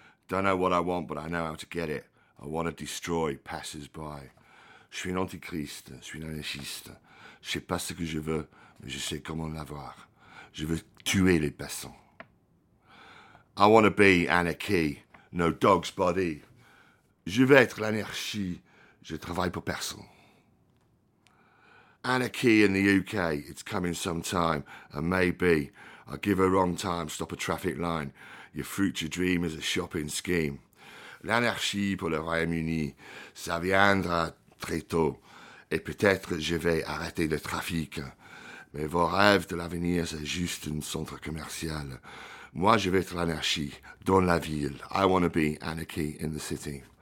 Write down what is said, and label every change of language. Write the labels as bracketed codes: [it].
[en] Don't know what I want, but I know how to get it. I want to destroy passers-by. [fr] Je suis un antichrist. Je suis un anarchiste. Je sais pas ce que je veux, mais je sais comment l'avoir. Je veux tuer les passants. [en] I want to be anarchy. No dog's body. [fr] Je veux être l'anarchie. Je travaille pour personne. [en] Anarchy in the UK. It's coming sometime. And maybe... I give a wrong time, stop a traffic line. Your future dream is a shopping scheme. [fr] L'anarchie pour le Royaume-Uni, ça viendra très tôt. Et peut-être je vais arrêter le trafic. Mais vos rêves de l'avenir, c'est juste un centre commercial. Moi, je veux être l'anarchie dans la ville. [en] I want to be anarchy in the city.